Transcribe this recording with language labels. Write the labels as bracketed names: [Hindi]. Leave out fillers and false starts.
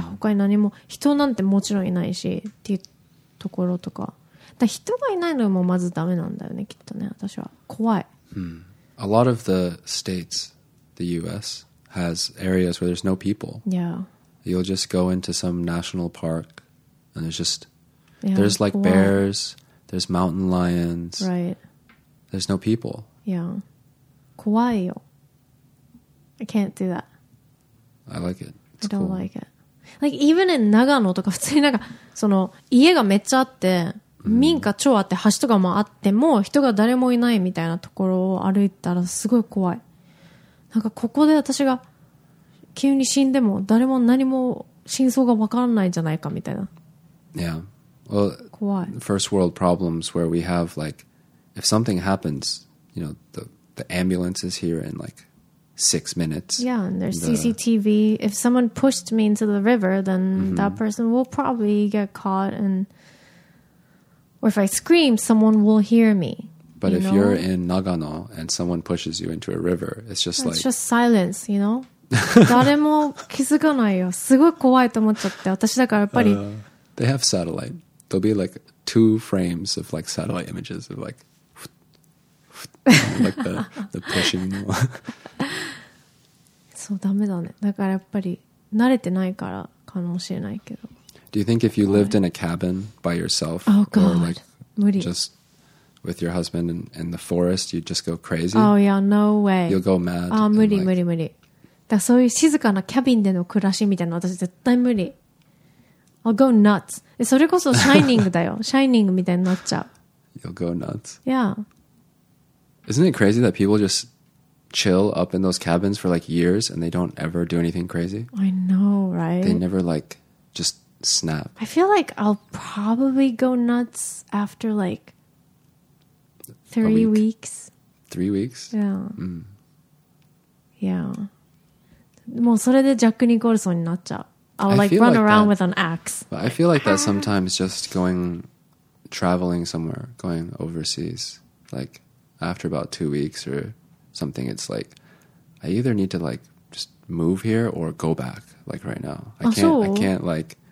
[Japanese] 他に何も人なんてもちろんいないしっていうところとか、だ人がいないのもまずダメなんだよねきっとね私は怖い、 mm. [English] A lot of the states, the US, has areas where there's no people. Yeah. You'll just go into some national park and there's just, there's like bears, there's mountain lions. Right. There's no people. Yeah. [Japanese] 怖いよ. [English] I can't do that. I like it. I don't like it. Like even [Japanese] in Nagano とか普通になんかその家がめっちゃあって民家超あって橋とかもあっても人が誰もいないみたいなところを歩いたらすごい怖い。なんかここで私が急に死んでも誰も何も真相が分からないんじゃないかみたいな。 [English] Yeah. Well, [Japanese] 怖い。 [English] First world problems where we have like, if something happens, you know, the ambulance is here in like 6 minutes. Yeah, and there's CCTV. If someone pushed me into the river, then that person will probably get caught. And, or if I scream, someone will hear me. But you if、 know? You're in Nagano and someone pushes you into a river, it's just it's like... It's just silence, you know? [Japanese] 誰も気づかないよ。すごい怖いと思っちゃって。私だからやっぱり。 [English] They have satellite. There'll be like two frames of like satellite images of like... like the pushing. [Japanese] そうダメだね。だからやっぱり慣れてないからかもしれないけど。 [English] Do you think if you lived in a cabin by yourself, oh, God. Or like [Japanese] 無理 [English] just with your husband in the forest, you'd just go crazy? Oh yeah, no way. You'll go mad. [Japanese] Ah, 無理無理無理。だそういう静かなキャビンでの暮らしみたいな私絶対無理。 [English] I'll go nuts. [Japanese] それこそ Shining だよ。Shining みたいになっちゃう。 [English] You'll go nuts. Yeah. Isn't it crazy that people just chill up in those cabins for like years and they don't ever do anything crazy? I know, right? They never like just snap. I feel like I'll probably go nuts after like 3 weeks. 3 weeks? Yeah. Mm. Yeah. [Japanese] もうそれでジャック・ニコルソンになっちゃう。 [English] I'll like run around with an axe. But I feel like that sometimes just going, traveling somewhere, going overseas, like after about 2 weeks or something, it's like, I either need to like just move here or go back, like right now. I can't like...